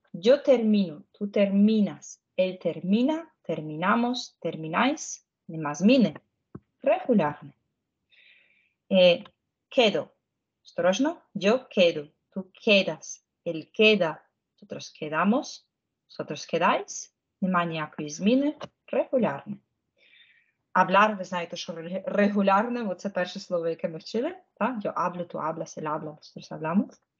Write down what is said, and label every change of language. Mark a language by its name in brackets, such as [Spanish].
[Spanish] Yo termino, tú terminas, él termina, terminamos, termináis. [Ukrainian] Нема зміни. Регулярно. [Spanish] Quedo. [Russian] Осторожно. [Spanish] Yo quedo, tú quedas, él queda, nosotros quedamos, vosotros quedáis. [Ukrainian] Нема ніякої зміни. Регулярно. Hablar, ви знаєте, що регулярно, бо це перше слово, яке ми вчили. Так? [Spanish] Yo hablo, tu hablas, el habla, nosotros hablamos.